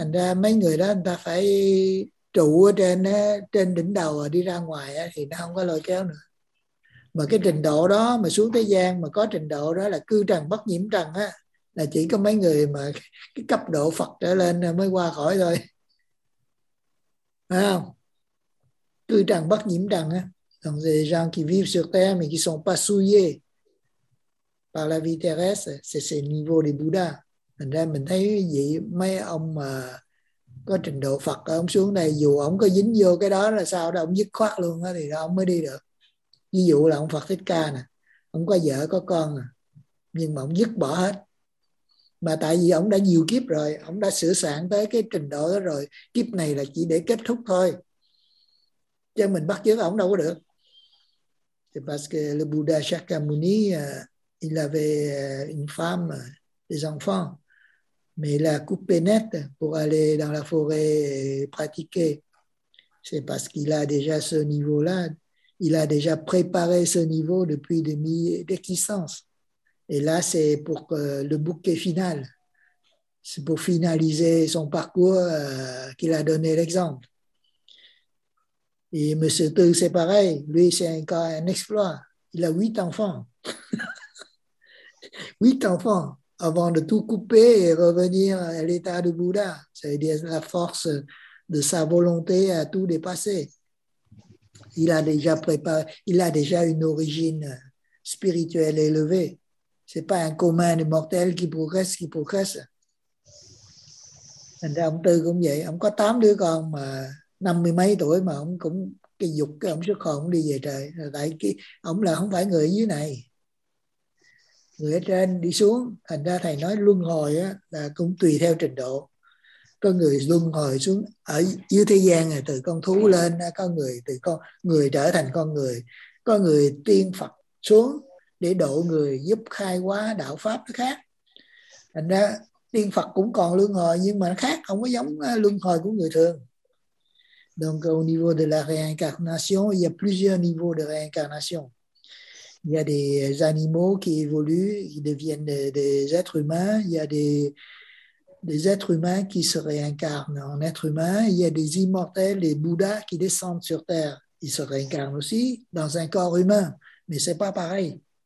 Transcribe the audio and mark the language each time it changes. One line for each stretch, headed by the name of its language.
Vietnamese: Thành ra mấy người đó người ta phải trụ ở trên đỉnh đầu, đi ra ngoài thì nó không có lôi kéo nữa. Mà cái trình độ đó mà xuống thế gian mà có trình độ đó là cư trần bất nhiễm trần á, là chỉ có mấy người mà cái cấp độ Phật trở lên mới qua khỏi thôi, phải không? Cư trần bất nhiễm trần á, còn
French: les gens qui vivent sur terre mais qui sont pas souillés par la vie terrestre, c'est ce niveau des Bouddhas.
Vietnamese: Thành ra mình thấy vậy, mấy ông mà có trình độ Phật ông xuống đây, dù ông có dính vô cái đó là sao đó, ông dứt khoát luôn á, thì đó ông mới đi được. Ví dụ là ông Phật Thích Ca nè, ông có vợ có con à, nhưng mà ông dứt bỏ hết. Mà tại vì ổng đã nhiều kiếp rồi, ổng đã sửa soạn tới cái trình độ đó rồi, kiếp này là chỉ để kết thúc thôi. Chứ mình bắt chước ổng đâu có được.
French: C'est parce que le Bouddha Shakyamuni, il avait une femme, des enfants, mais il a coupé net pour aller dans la forêt pratiquer. C'est parce qu'il a déjà ce niveau-là, il a déjà préparé ce niveau depuis des milliers d'existences. Et là, c'est pour le bouquet final. c'est pour finaliser son parcours qu'il a donné l'exemple. Et M. Tu, c'est pareil. Lui, c'est encore un exploit. Il a 8 enfants. 8 enfants avant de tout couper et revenir à l'état de Bouddha. C'est-à-dire la force de sa volonté à tout dépasser. Il a déjà préparé, il a déjà une origine spirituelle élevée. Ce n'est pas un commun des mortels qui progresse.
Vietnamese: Thành ra ông Tư cũng vậy, ông có 8 đứa con mà 50 mấy tuổi mà ông cũng cái dục, cái ông sức khỏe, ông đi về trời. Tại cái, ông là không phải người ở dưới này, người ở trên đi xuống. Thành ra thầy nói luân hồi á, là cũng tùy theo trình độ. Có người luân hồi xuống ở dưới thế gian này, từ con thú lên, có người từ con người trở thành con người, có người tiên Phật xuống để độ người, giúp khai hóa đạo pháp khác. Thành ra tiên Phật cũng còn luân hồi, nhưng mà khác, không có giống luân hồi của người thường.
French: Donc au niveau de la réincarnation, il y a plusieurs niveaux de réincarnation. Il y a des animaux qui évoluent, ils deviennent des êtres humains. Il y a des êtres humains qui se réincarnent en êtres humains. Il y a des immortels, des bouddhas qui descendent sur terre. Ils se réincarnent aussi dans un corps humain, mais ce n'est pas pareil.